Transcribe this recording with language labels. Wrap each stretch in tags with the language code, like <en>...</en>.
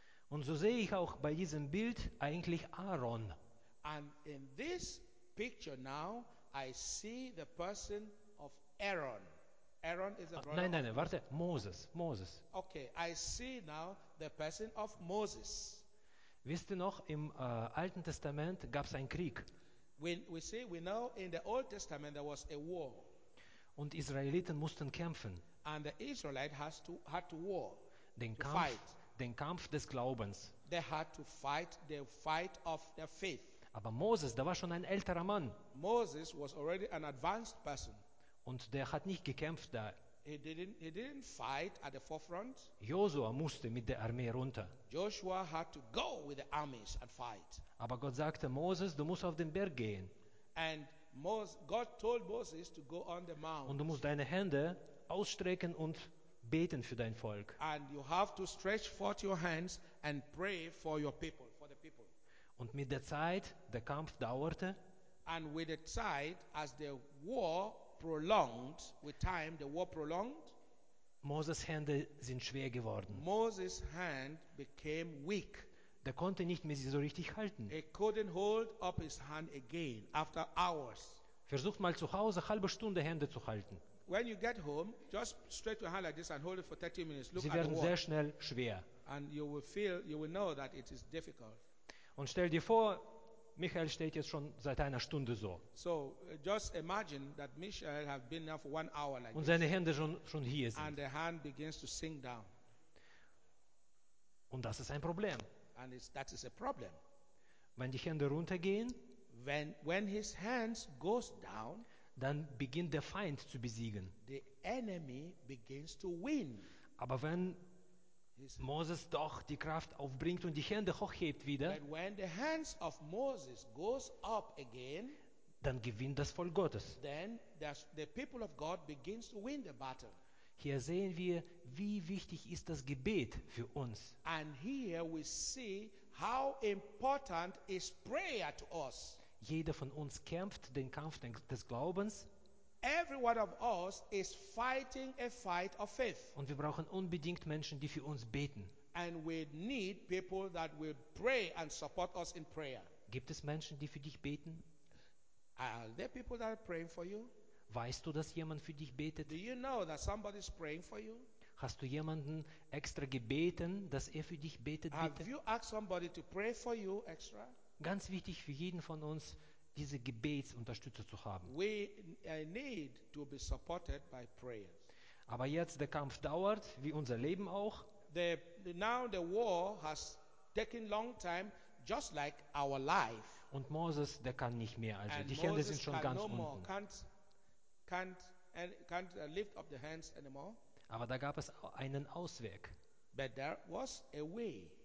<de>Und so sehe ich auch bei diesem Bild eigentlich Aaron.</de> <en>And in this picture now, I see the person of Aaron. Aaron is a brother.</en> <de>Nein, warte, Moses.</de> <en>Okay, I see now the person of Moses.</en> <de>Wisst ihr noch, im Alten Testament gab es einen Krieg.</de> <en>We know in the Old Testament there was a war.</en> <de>Und Israeliten mussten kämpfen.</de> <en>And the Israelite had to war.</en> <de>Den Kampf, fight. Den Kampf des Glaubens.</de> <en>They had to fight the fight of their faith.</en> <de>Aber Moses, da war schon ein älterer Mann.</de> <en>Moses was already an advanced person.</en> <de>Und der hat nicht gekämpft da.</de> <en>He didn't fight at the forefront.</en> <de>Josua musste mit der Armee runter.</de> <en>Joshua had to go with the armies and fight.</en> <de>Aber Gott sagte, Moses, du musst auf den Berg gehen.</de> <en>And God told Moses to go on the mount.</en> <de>Und du musst deine Hände ausstrecken und beten für dein Volk.</de> <en>And you have to stretch forth your hands and pray for your people, for the people.</en> <de>Und mit der Zeit, der Kampf dauerte.</de> <en>And with the time, as the war prolonged, with time the war prolonged.</en> <de>Moses' Hände sind schwer geworden.</de> <en>Moses' hand became weak.</en> <de>Der konnte nicht mehr sie so richtig halten.</de> <en>He couldn't hold up his hand again after hours.</en> <de>Versucht mal zu Hause halbe Stunde Hände zu halten.</de> <en>When you get home, just stretch your hand like this and hold it for 30 minutes.</en> <de>Look, sie werden</de> <en>at the</en> <de>sehr schnell schwer.</de> <en>And you will feel, you will know that it is difficult.</en> <de>Und stell dir vor, Michael steht jetzt schon seit einer Stunde so.</de> <en>So just imagine that Michael have been there for 1 hour like</en> <de>this. Und seine Hände schon hier sind.</de> <en>And the hand begins to sink down.</en> <de>Und das ist ein Problem.</de> <en>And that is a problem.</en> <de>Wenn die Hände runtergehen,</de> <en>when his hands goes down,</en> <de>dann beginnt der Feind zu besiegen.</de> <en>The enemy begins to win.</en> <de>Aber wenn Moses doch die Kraft aufbringt und die Hände hochhebt wieder,</de> <en>but when the hands of Moses goes up again,</en> <de>dann gewinnt das Volk Gottes.</de> <en>Then the people of God begins to win the battle.</en> <de>Hier sehen wir, wie wichtig ist das Gebet für uns.</de> <en>And here we see how important is prayer to us.</en> <de>Jeder von uns kämpft den Kampf des Glaubens.</de> <en>Every one of us is fighting a fight of faith.</en> <de>Und wir brauchen unbedingt Menschen, die für uns beten.</de> <en>And we need people that will pray and support us in prayer.</en> <de>Gibt es Menschen, die für dich beten?</de> <en>Are there people that are praying for you?</en> <de>Weißt du, dass jemand für dich betet?</de> <en>Do you know that somebody is praying for you?</en> <de>Hast du jemanden extra gebeten, dass er für dich betet?</de> <en>Have you asked somebody to pray for you extra?</en> <de>Ganz wichtig für jeden von uns, diese Gebetsunterstützer zu haben.</de> <en>I need to be supported by prayers.</en> <de>Aber jetzt der Kampf dauert, wie unser Leben auch.</de> <en>Now the war has taken long time, just like our life.</en> <de>Und Moses, der kann nicht mehr. Also</de> <en>and</en> <de>die Hände sind schon ganz unten.</de> <en>More, can't lift up the hands anymore.</en> <de>Aber da gab es einen Ausweg.</de> <en>But there was a way.</en>